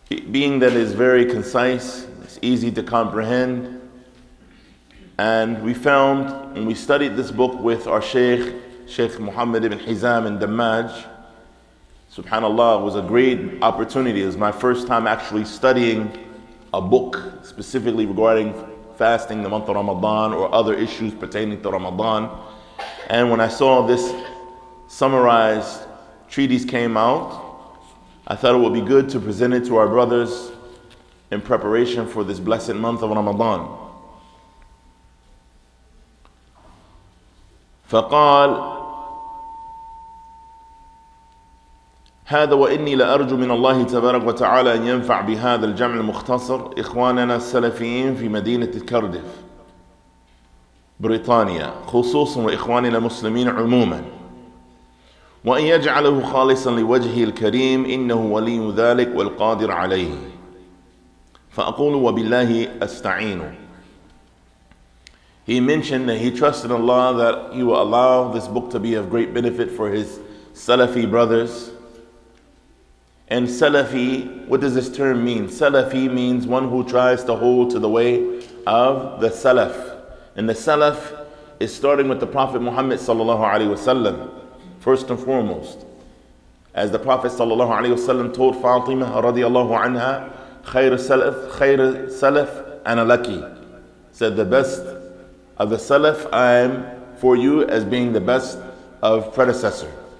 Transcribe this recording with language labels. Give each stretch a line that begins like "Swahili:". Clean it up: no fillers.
English: being that it's very concise, it's easy to comprehend and we found when we studied this book with our Shaykh, Shaykh Muhammad ibn Hizam in Dammaj Subhanallah, it was a great opportunity. It was my first time actually studying a book specifically regarding fasting the month of Ramadan or other issues pertaining to Ramadan. And when I saw this summarized treatise came out, I thought it would be good to present it to our brothers in preparation for this blessed month of Ramadan.
Arabic: فقال هذا وإني لأرجو من الله تبارك وتعالى أن ينفع بهذا الجمع المختصر إخواننا السلفيين في مدينة كاردف بريطانيا خصوصا وإخواننا المسلمين عموما وأن يجعله خالصا لوجهه الكريم إنه ولي ذلك والقادر عليه فأقول وبالله أستعين
English: He mentioned that he trusted Allah that he will allow this book to be of great benefit for his Salafi brothers. And Salafi, what does this term mean? Salafi means one who tries to hold to the way of the Salaf. And the Salaf is starting with the Prophet Muhammad sallallahu alaihi wasallam, first and foremost. As the Prophet sallallahu alaihi wasallam told Fatima radiallahu anha,
Arabic: khayr Salaf ana laki,
English: said the best of the Salaf I am for you as being the best of predecessor.